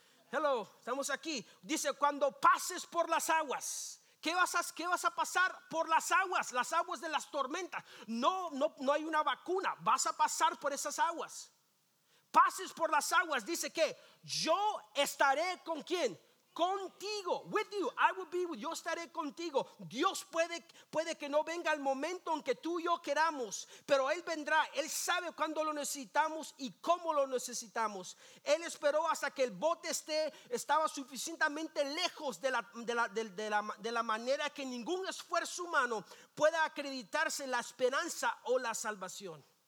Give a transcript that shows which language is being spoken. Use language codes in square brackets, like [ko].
[es] Hello, estamos aquí. Dice, cuando pases por las aguas, ¿qué vas a pasar por las aguas de las tormentas? No hay una vacuna, vas a pasar por esas aguas. Pases por las aguas, dice que yo estaré con quién. Contigo, [en] with you, I will be with you. [es] Yo estaré contigo. Dios puede que no venga el momento en que tú y yo queramos, pero Él vendrá. Él sabe cuándo lo necesitamos y cómo lo necesitamos. Él esperó hasta que el bote estaba suficientemente lejos de la manera que ningún esfuerzo humano pueda acreditarse la esperanza o la salvación.